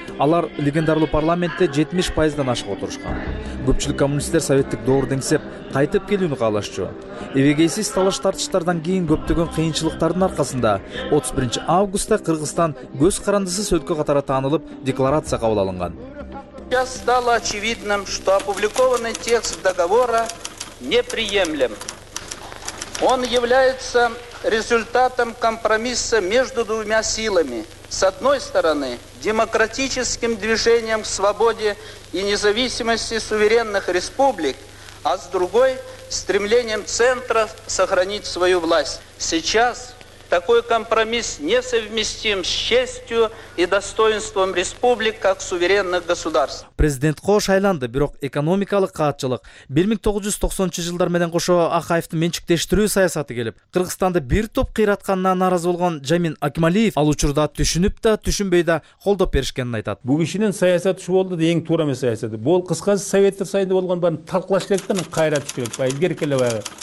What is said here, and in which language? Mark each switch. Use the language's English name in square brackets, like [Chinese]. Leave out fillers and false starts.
[Kyrgyz] Алар легендарлуу парламентте 70%дан ашык отурушкан. Көпчүлүк коммунисттер советтик доору деңсеп кайтып келүүнү каалашчу. Эбегейсиз талаш тартыштардан кийин көптөгөн кыйынчылыктардын аркасында 31 августта Кыргызстан көз карандысыз өлкө катары таанылып, декларация кабыл алынган. [Russian] Сейчас стало очевидным, что опубликованный текст договора неприемлем. Он является результатом компромисса между двумя силами. С одной стороны, демократическим движением к свободе и независимости суверенных республик, а с другой, стремлением центра сохранить свою власть. Сейчас такой компромисс несовместим с честью и достоинством республик как суверенных государств. [Kyrgyz] Президент кош айланды, бирок экономикалык каатчылык 1990-жу жылдар менен кошо Акаевди менчиктештирүү саясаты келип, Кыргызстанды бир топ кыйратканына нааразы болгон Жамин Акмалиев ал учурда түшүнүп да, түшүнбөй да колдоп беришкенин айтат. Бул кишинин саясаты ушу болду, эң туура эмес саясаты. Бул кыскасы советтер сайында болгон баарын талкулаш керек да, кайра түш керек. Бай илгерки эле баягы.